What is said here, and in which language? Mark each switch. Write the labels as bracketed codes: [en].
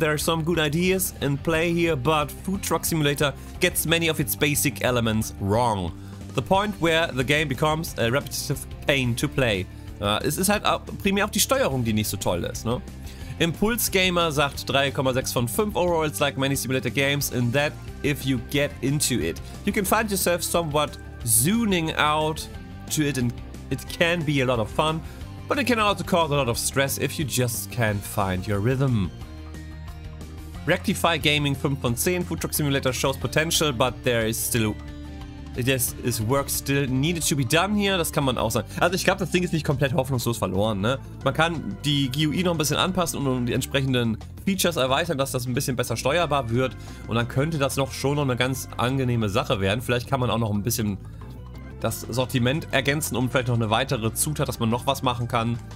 [en] There are some good ideas in play here, but Food Truck Simulator gets many of its basic elements wrong. The point where the game becomes a repetitive pain to play. [de] Es ist halt auch primär auch die Steuerung, die nicht so toll ist, ne? Impulse Gamer sagt 3,6 von 5 overall. [en] It's like many simulator games in that if you get into it. You can find yourself somewhat zoning out to it and it can be a lot of fun. But it can also cause a lot of stress if you just can't find your rhythm. Rectify Gaming [de] 5 von 10. [en] Food Truck Simulator shows potential, but there is still... This is work still needed to be done here. [de] Das kann man auch sagen. Also ich glaube, das Ding ist nicht komplett hoffnungslos verloren, ne? Man kann die GUI noch ein bisschen anpassen und die entsprechenden Features erweitern, dass das ein bisschen besser steuerbar wird. Und dann könnte das noch schon noch eine ganz angenehme Sache werden. Vielleicht kann man auch noch ein bisschen das Sortiment ergänzen, um vielleicht noch eine weitere Zutat, dass man noch was machen kann.